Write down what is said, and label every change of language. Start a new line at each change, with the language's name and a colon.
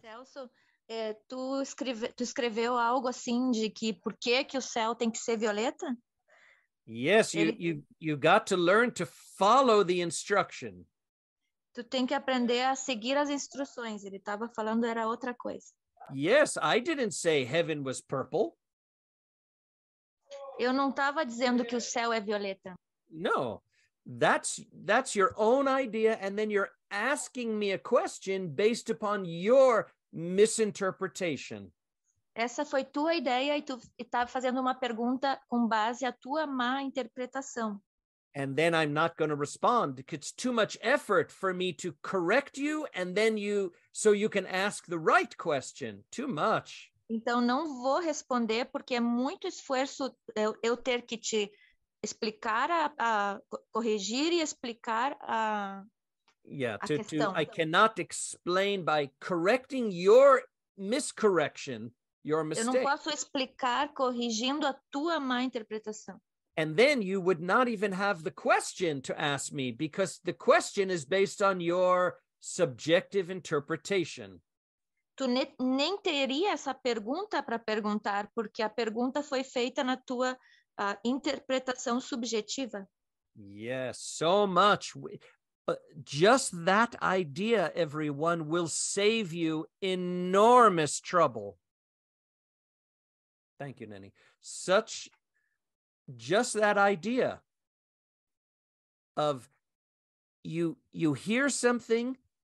Portuguese: Celso, tu escreveu algo assim de que por que que o céu tem que ser violeta?
English: Yes, you got to learn to follow the instruction.
Portuguese: Tu tem que aprender a seguir as instruções. Ele estava falando era outra coisa.
English: Yes, I didn't say heaven was purple.
Portuguese: Eu não estava dizendo que o céu é violeta.
English: No, that's your own idea, and then you're asking me a question based upon your misinterpretation.
Portuguese: Essa foi tua ideia e tu estava fazendo uma pergunta com base à tua má interpretação.
English: And then I'm not going to respond. It's too much effort for me to correct you, and then so you can ask the right question. Too much.
Portuguese: Então não vou responder porque é muito esforço eu ter que te explicar a corrigir e explicar a.
English: Yeah,
Portuguese: a questão.
English: I cannot explain by correcting your miscorrection, your mistake.
Portuguese: Eu não posso explicar corrigindo a tua má interpretação.
English: And then you would not even have the question to ask me because the question is based on your subjective interpretation.
Portuguese: Tu nem teria essa pergunta para perguntar porque a pergunta foi feita na tua interpretação subjetiva.
English: Yes, so much. Just that idea, everyone, will save you enormous trouble. Thank you, Nenny. Just that idea of you hear something